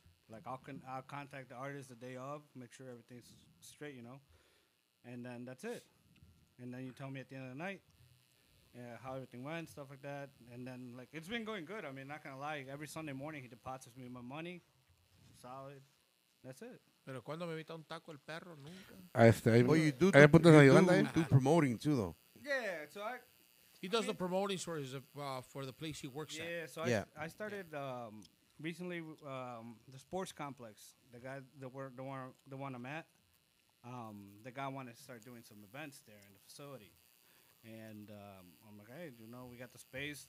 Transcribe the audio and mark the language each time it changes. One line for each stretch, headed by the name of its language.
English: Like, I'll contact the artist the day of, make sure everything's straight, you know? And then that's it. And then you tell me at the end of the night how everything went, stuff like that. And then, like, it's been going good. I mean, not going to lie. Every Sunday morning, he deposits me my money. Solid. That's it.
Spanish: Pero cuando me invita un taco el perro, nunca.
English: You do promoting, too, though. Yeah, so I... He does the promoting for his for the place he works at. Yeah, so yeah. I started recently the sports complex. The one I'm at. The guy wanted to start doing some events there in the facility, and I'm like, hey, you know, we got the space.